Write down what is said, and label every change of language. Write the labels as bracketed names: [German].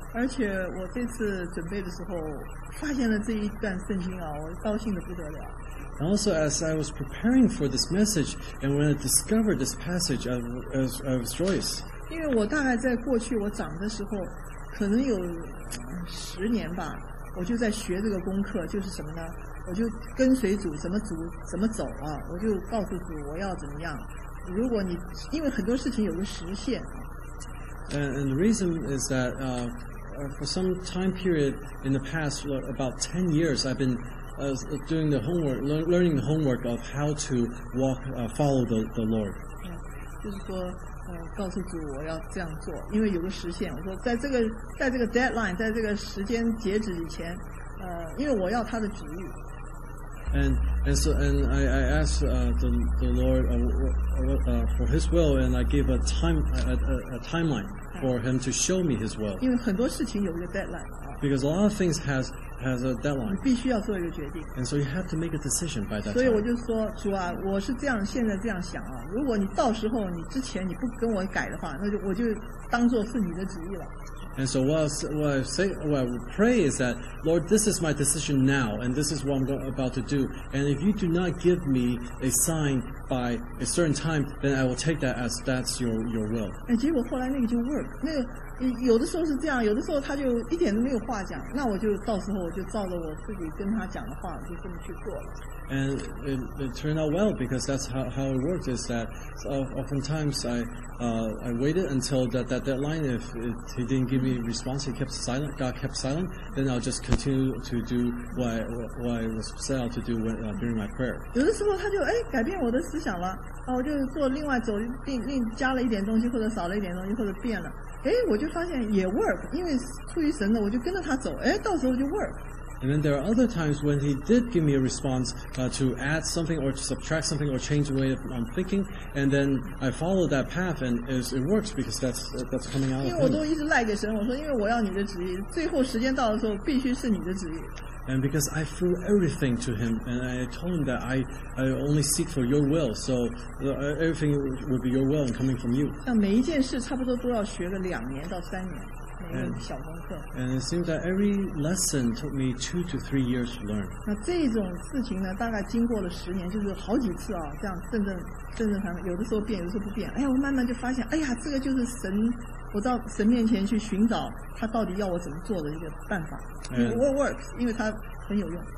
[Chinese] 而且我这次准备的时候发现了这一段圣经啊，我高兴得不得了。 [English] And also, as I was preparing for this message, and when I discovered this passage, I was joyous. [Chinese] 因为我大概在过去我长的时候，可能有十年吧，我就在学这个功课，就是什么呢？我就跟随主，什么主怎么走啊？我就告诉主我要怎么样。如果你因为很多事情有个时限。 [English] And the reason is that for some time period in the past, about 10 years, I've been doing the homework, learning the homework of how to walk, follow the Lord. [Chinese] 就是说，告诉主我要这样做，因为有个时限。我说，在这个 deadline， 在这个时间截止以前，因为我要他的旨意。 [English] And I asked the Lord for His will, and I gave a timeline for Him to show me His will. [Chinese] 因为很多事情有一个 deadline. [English] Because a lot of things has a deadline. [Chinese] 你必须要做一个决定。 [English] And so you have to make a decision by that time. [Chinese] 所以我就说，主啊，我是这样，现在这样想啊。如果你到时候你之前你不跟我改的话，那就我就当做是你的旨意了。 [English] And so what I pray is that, Lord, this is my decision now, and this is what I'm about to do. And if you do not give me a sign by a certain time, then I will take that as that's your will. [Chinese] And 结果后来那个就 work. 那有的时候是这样，有的时候他就一点都没有话讲。那我就到时候我就照着我自己跟他讲的话，就这么去做了。 [English] And it turned out well, because that's how it worked, is that oftentimes I waited until that deadline. If he didn't give me a response, God kept silent, then I'll just continue to do what I was set out to do during my prayer. [Chinese] 有的时候他就改变我的思想了，我就做另外走另加了一点东西，或者少了一点东西，或者变了，我就发现也 work， 因为出于神的，我就跟着他走，到时候就 work。 [English] And then there are other times when he did give me a response to add something or to subtract something or change the way I'm thinking, and then I follow that path and it works because that's coming out of [Chinese] me. 因为我都一直赖给神，我说因为我要你的旨意，最后时间到的时候必须是你的旨意。 [English] And because I threw everything to him and I told him that I only seek for your will, so everything would be your will and coming from you. [Chinese] 那每一件事差不多都要学个两年到三年。 [English] And it seems that every lesson took me 2 to 3 years to learn. [Chinese] 那这种事情呢，大概经过了十年，就是好几次啊，这样正反反，有的时候变，有的时候不变。我慢慢就发现，这个就是神，我到神面前去寻找他到底要我怎么做的一个办法。 [English] It works， [Chinese] 因为它很有用。